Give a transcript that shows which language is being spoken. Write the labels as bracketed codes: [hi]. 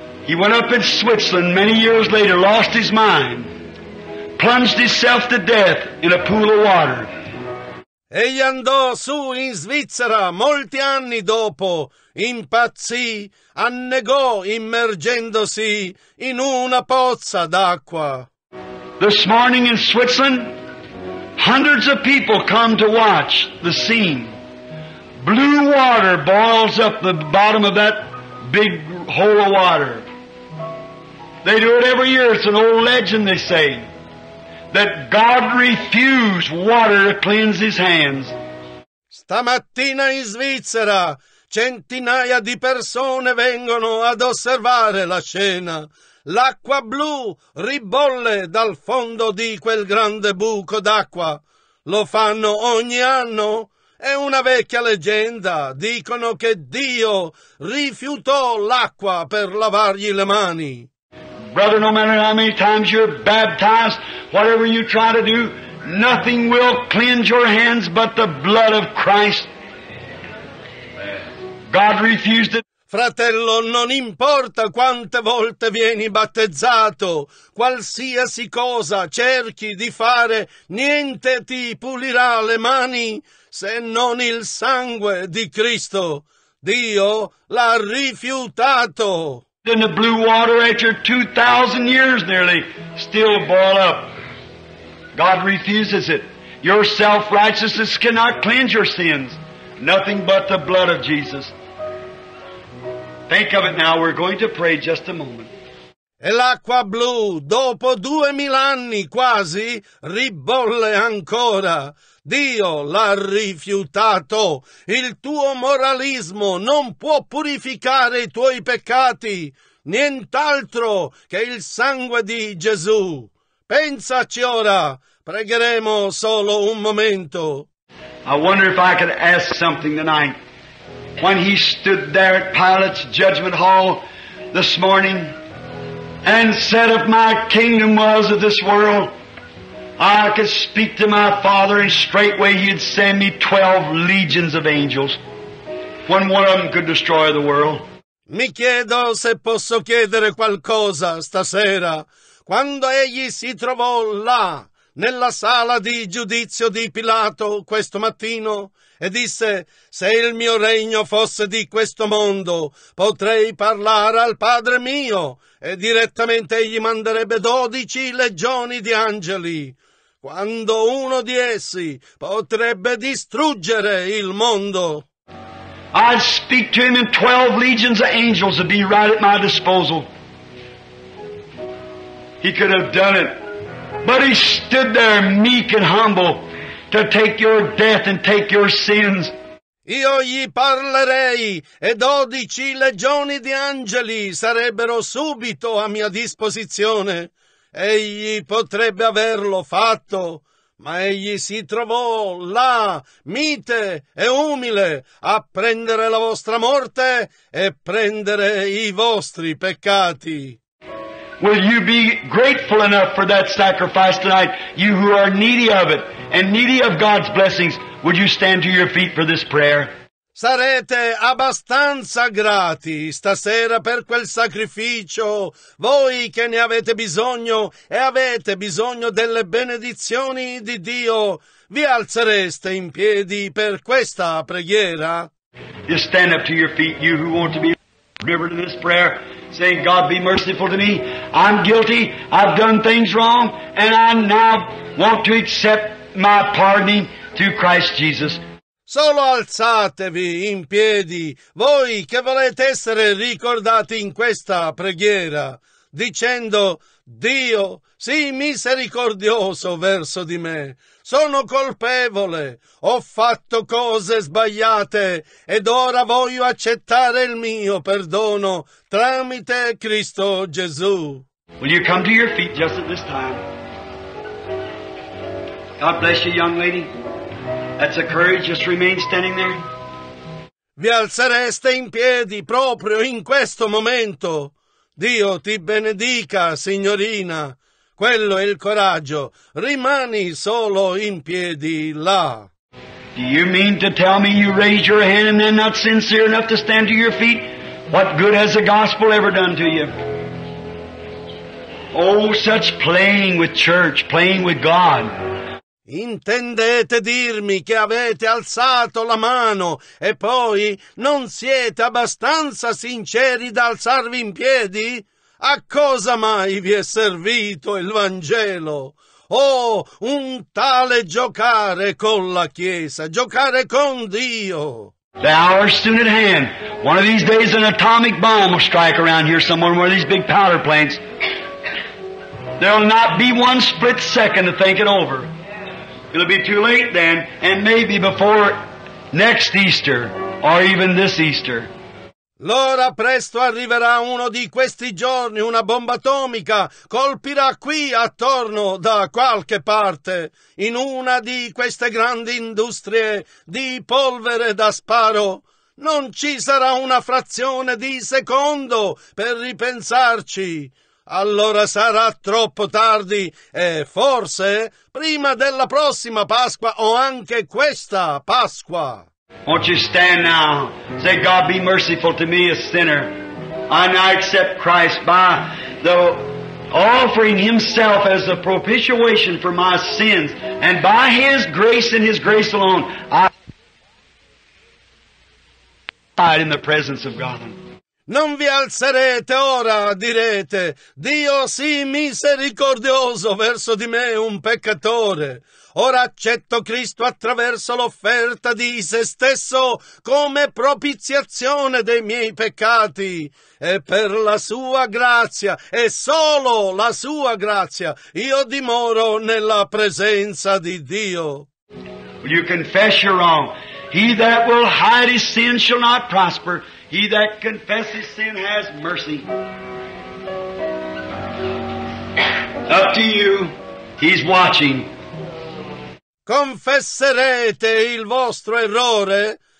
[en] He went up in Switzerland many years later, lost his mind, plunged himself to death in a pool of water. [it] Egli andò su in Svizzera molti anni dopo, impazzì, annegò immergendosi in una pozza d'acqua. [en] This morning in Switzerland, hundreds of people come to watch the scene. Blue water boils up the bottom of that big hole of water. They do it every year. It's an old legend, they say. That God refused water to cleanse his hands. [it] Stamattina in Svizzera centinaia di persone vengono ad osservare la scena. L'acqua blu ribolle dal fondo di quel grande buco d'acqua. Lo fanno ogni anno è una vecchia leggenda. Dicono che Dio rifiutò l'acqua per lavargli le mani. [en] Brother, no matter how many times you're baptized, whatever you try to do, nothing will cleanse your hands but the blood of Christ. God refused it. [it] Fratello, non importa quante volte vieni battezzato, qualsiasi cosa cerchi di fare, niente ti pulirà le mani se non il sangue di Cristo. Dio l'ha rifiutato. [en] In the blue water at your 2,000 years nearly, still boil up. God refuses it. Your self-righteousness cannot cleanse your sins. Nothing but the blood of Jesus. Think of it now, we're going to pray just a moment. [it] E l'acqua blu, dopo 2000 anni quasi, ribolle ancora. Dio l'ha rifiutato. Il tuo moralismo non può purificare i tuoi peccati. Nient'altro che il sangue di Gesù. Pensaci ora, pregheremo solo un momento. [en] I wonder if I could ask something tonight. When he stood there at Pilate's judgment hall this morning and said, if my kingdom was of this world, I could speak to my Father and straightway he'd send me 12 legions of angels, when one of them could destroy the world. [it] Mi chiedo se posso chiedere qualcosa stasera. Quando egli si trovò là, nella sala di giudizio di Pilato questo mattino, e disse, se il mio regno fosse di questo mondo, potrei parlare al Padre mio, e direttamente egli manderebbe 12 legioni di angeli, quando uno di essi potrebbe distruggere il mondo. [en] I'd speak to him in 12 legions of angels to be right at my disposal. He could have done it. But he stood there meek and humble to take your death and take your sins. [it] Io gli parlerei e 12 legioni di angeli sarebbero subito a mia disposizione. Egli potrebbe averlo fatto, ma egli si trovò là, mite e umile, a prendere la vostra morte e prendere i vostri peccati. [en] Will you be grateful enough for that sacrifice tonight, you who are needy of it and needy of God's blessings? Would you stand to your feet for this prayer? [it] Sarete abbastanza grati stasera per quel sacrificio, voi che ne avete bisogno e avete bisogno delle benedizioni di Dio, vi alzereste in piedi per questa preghiera? [en] Just stand up to your feet, you who want to be delivered in this prayer. Saying, God be merciful to me, I'm guilty, I've done things wrong, and I now want to accept my pardoning through Christ Jesus. [it] Solo alzatevi in piedi, voi che volete essere ricordati in questa preghiera, dicendo, Dio, sii misericordioso verso di me. Sono colpevole, ho fatto cose sbagliate ed ora voglio accettare il mio perdono tramite Cristo Gesù. [en] Will you come to your feet just at this time? God bless you, young lady. That's the courage, just remain standing there. [it] Vi alzereste in piedi proprio in questo momento. Dio ti benedica, signorina. Quello è il coraggio. Rimani solo in piedi là. [en] Do you mean to tell me you raise your hand and then not sincere enough to stand to your feet? What good has the gospel ever done to you? Oh, such playing with church, playing with God. [it] Intendete dirmi che avete alzato la mano e poi non siete abbastanza sinceri da alzarvi in piedi? A cosa mai vi è servito il Vangelo? Oh, un tale giocare con la Chiesa, giocare con Dio! [en] The hour is soon at hand. One of these days an atomic bomb will strike around here somewhere in one of these big powder plants. There'll not be one split second to think it over. It'll be too late then, and maybe before next Easter, or even this Easter. [it] Allora presto arriverà uno di questi giorni, una bomba atomica colpirà qui attorno da qualche parte, in una di queste grandi industrie di polvere da sparo. Non ci sarà una frazione di secondo per ripensarci. Allora sarà troppo tardi e forse prima della prossima Pasqua o anche questa Pasqua. [en] Won't you stand now? Say, God, be merciful to me, a sinner. And I accept Christ by the offering Himself as the propitiation for my sins. And by His grace and His grace alone, I abide in the presence of God. [it] Non vi alzerete ora, direte, Dio sii misericordioso verso di me, un peccatore. Ora accetto Cristo attraverso l'offerta di se stesso come propiziazione dei miei peccati. E per la sua grazia, e solo la sua grazia, io dimoro nella presenza di Dio. [en] Will you confess your wrong? He that will hide his sin shall not prosper. He that confesses sin has mercy. Up to you. He's watching. [it] Confesserete il vostro errore?